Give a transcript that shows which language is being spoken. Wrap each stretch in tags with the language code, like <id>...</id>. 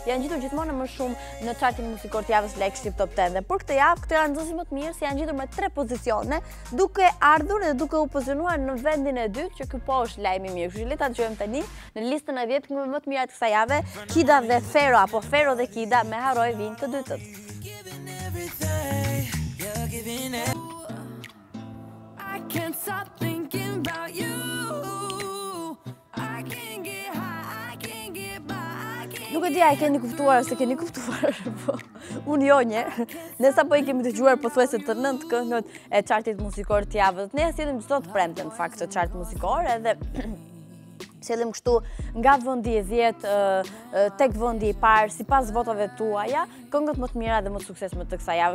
<sq>Janë gjetur gjithmonë më shumë në chartin muzikor të javës Like Shqip Top 10. Dhe për këtë javë, këto janë nxënësit më të mirë, se janë gjetur me 3 pozicione, duke ardhur dhe duke u pozicionuar në vendin e dytë, që ky po është lajmi i mirë. Kështu që le ta dëgjojmë tani në listën e 10 këngëve më të mira të kësaj jave, Kida dhe Ferru apo Ferru dhe Kida me Harroj vinë të dytët.</sq> <en>I can't stop thinking about you. I can't get high, I can't get by.</en> <sq>Nuk e di a e keni kuptuar ose keni kuptuar, po unë jo një. Nëse apo i kemi dëgjuar pothuajse të 9 këngët e chartit muzikor të javës. Ne sjellim çdo të premte në fakt të chart muzikor edhe sjellim kështu nga vendi i 10 tek vendi i parë sipas votave tuaja, këngët më të mira dhe më të suksesshme të kësaj jave.</sq>